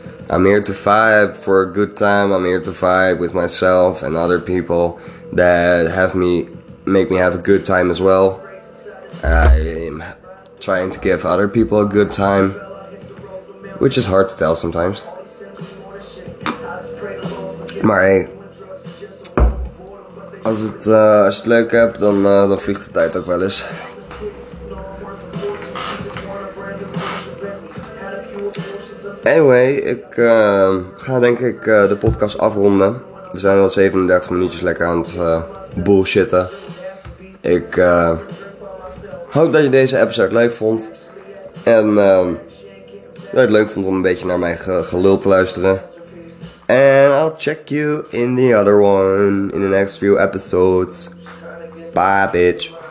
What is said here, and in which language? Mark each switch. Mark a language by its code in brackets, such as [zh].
[en] I'm here to vibe for a good time. I'm here to vibe with myself and other people that make me have a good time as well. I'm trying to give other people a good time. Which is hard to tell sometimes. [nl] Maar hey, als je het leuk hebt, dan vliegt de tijd ook wel eens. Anyway, ik ga denk ik de podcast afronden. We zijn al 37 minuutjes lekker aan het bullshitten. Ik hoop dat je deze episode leuk vond. En dat je het leuk vond om een beetje naar mijn gelul te luisteren. [en] And I'll check you in the other one in the next few episodes. Bye, bitch.